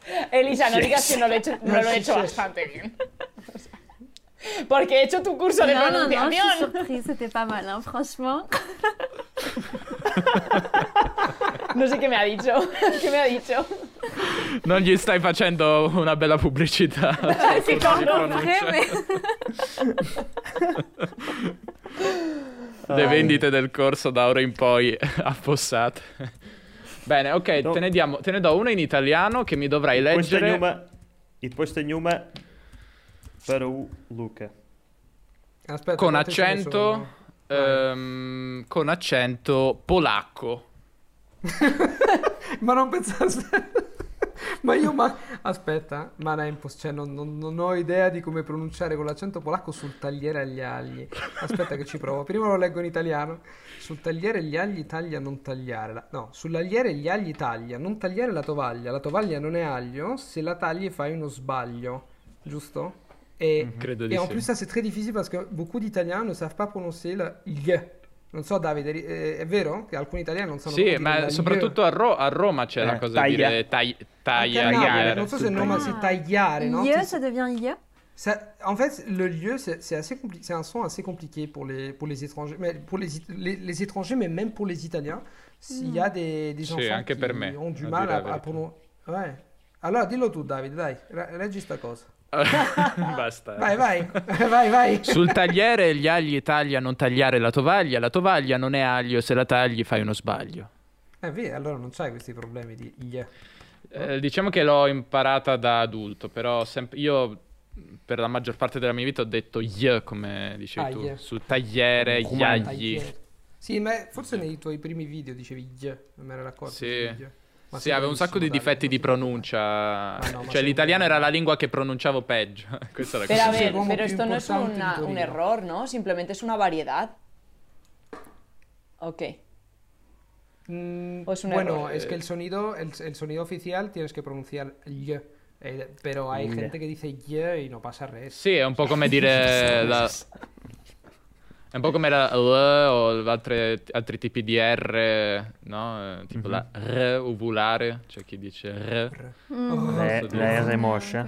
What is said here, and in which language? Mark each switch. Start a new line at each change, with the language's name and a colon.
Spanish: Elisa, no digas que no lo he hecho bastante bien. Porque he hecho tu curso de pronunciación.
French: No, no, no, c'était pas mal, hein, franchement.
Spanish: No sé qué me ha dicho. ¿Qué me ha dicho?
Italian: No gli stai facendo una bella pubblicità. Si comprende. Le vendite del corso da ora in poi affossate. Bene, ok, no. te ne do una in italiano che mi dovrai leggere. E poi c'è una per Luca. Aspetta, con accento polacco. Ma non pensate... Ma io ma... Aspetta, ma è impossibile, cioè non ho idea di come pronunciare con l'accento polacco sul tagliere agli agli. Aspetta che ci provo, prima lo leggo in italiano. Sul tagliere gli agli taglia non tagliare la... No, sull'agliere gli agli taglia, non tagliare la tovaglia non è aglio, se la tagli fai uno sbaglio, giusto? E, credo di e sì.
French: En plus ça c'est très difficile parce que beaucoup d'italiens ne savent pas prononcer la gli.
Italian: Non so, Davide, è vero che alcuni italiani non sanno... Sì, ma soprattutto a Roma c'è la cosa di dire taglia. Non so se il nome si tagliare, no?
French: Lieu, ça devient lieu. En fait, le lieu, c'est un son assez compliqué pour les étrangers. Mais pour les étrangers, mais même pour les italiens, s'il y a des gens qui ont du mal a prononcer... Ouais.
Italian: Allora, dillo tu, Davide, dai, leggi sta cosa. Basta. Vai. Sul tagliere gli agli taglia non tagliare la tovaglia non è aglio, se la tagli fai uno sbaglio. Via, allora non c'hai questi problemi di Diciamo che l'ho imparata da adulto, però io per la maggior parte della mia vita ho detto come dicevi tu, sul tagliere gli agli. Sì, ma forse nei tuoi primi video dicevi non me ne ero accorto. Sì. Sì, aveva un sacco di difetti di pronuncia. Cioè l'italiano era la lingua che pronunciavo peggio. Questa è la cosa. Però questo non è un errore, no?
Spanish: Simplemente
Italian: è una varietà. Ok. O è un errore.
Spanish: Bueno, es que el sonido oficial tienes que pronunciar gli.
Italian: Però
Spanish: hay gente
Italian: che dice gli e
Spanish: non pasa res.
Italian: Sì, è un po' come dire È un po' come la L o altri tipi di R, no? Tipo mm-hmm. la R uvulare, cioè chi dice R. La R moscia.